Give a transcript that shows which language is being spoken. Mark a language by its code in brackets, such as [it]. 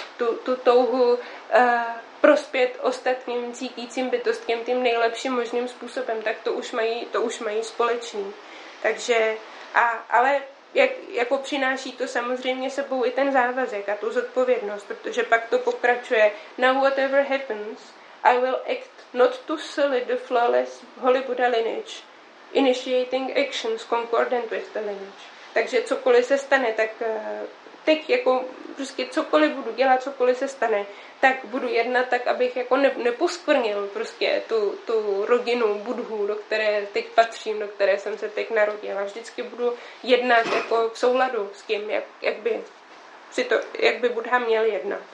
[cs] Tu, tu touhu prospět ostatním cítícím bytostkem tím nejlepším možným způsobem, tak to už mají společný. Takže, a, ale jak, jako přináší to samozřejmě sebou i ten závazek a tu zodpovědnost, protože pak to pokračuje. [en] Now whatever happens, I will act not to sully the flawless holy Buddha lineage, initiating actions concordant with the lineage. [cs] Takže cokoliv se stane, tak teď jako prostě cokoliv budu dělat, cokoliv se stane, tak budu jednat tak, abych jako neposkvrnil prostě tu, tu rodinu Buddhu, do které teď patřím, do které jsem se teď narodila. Vždycky budu jednat jako v souladu s tím, jak, jak by si to, jak by Buddha měl jednat.